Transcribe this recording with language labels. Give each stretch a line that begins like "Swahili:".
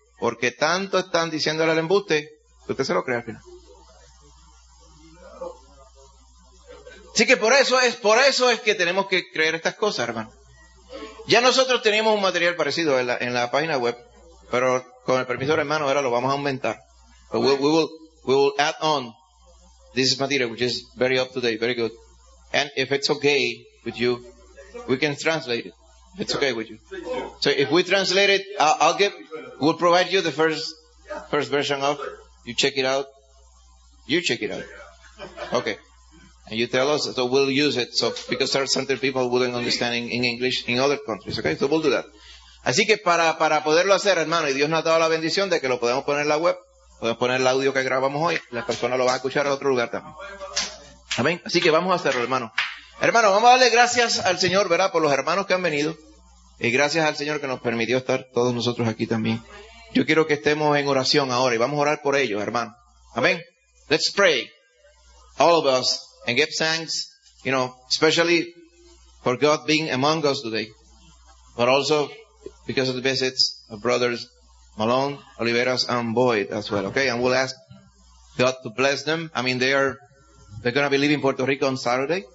Spanish: Porque tanto están diciéndole al embuste, que usted se lo cree al final. Así que por eso es que tenemos que creer estas cosas, hermano. Ya nosotros teníamos un material parecido en la página web, pero con el permiso del hermano ahora lo vamos a aumentar.
English: But we will add on this material, which is very up to date, very good. And if it's okay with you, we can translate it. If it's okay with you. So if we translate it, we'll provide you the first version of it. You check it out. You check it out. Okay. And you tell us, so we'll use it, so because there are certain people who wouldn't understand in English in other countries, okay? So we'll do that.
Spanish: Así que para poderlo hacer, hermano, y Dios nos ha dado la bendición de que lo podemos poner en la web, podemos poner el audio que grabamos hoy, las personas lo van a escuchar en otro lugar también. Amén. Así que vamos a hacerlo, hermano. Hermano, vamos a darle gracias al Señor, ¿verdad?, por los hermanos que han venido, y gracias al Señor que nos permitió estar todos nosotros aquí también. Yo quiero que estemos en oración ahora, y vamos a orar por ellos, hermano.
English: Amén. Let's pray, all of us. And give thanks, you know, especially for God being among us today. But also because of the visits of brothers Malone, Oliveras, and Boyd as well. Okay, and we'll ask God to bless them. I mean, they're going to be leaving Puerto Rico on Saturday.